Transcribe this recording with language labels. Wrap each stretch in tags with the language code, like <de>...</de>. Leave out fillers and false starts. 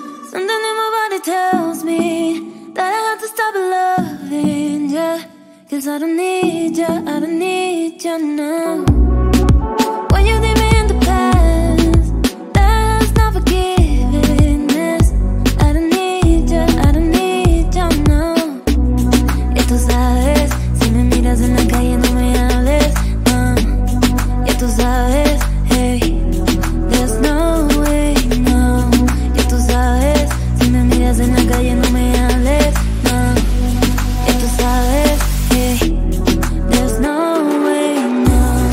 <en>Something in my body tells me cause I don't need ya, I don't need ya now. When you leave me in the past, that's not forgiveness. I don't need ya, I don't need ya now.</en> <es>Y tú sabes, si me miras en la calle no me hables, no. Y tú sabes, hey,</es> <en>there's no way, no.</en> <es>Y tú sabes, si me miras en la calle no me hables, no. Y tú sabes,</es> <en>there's no way, no.</en>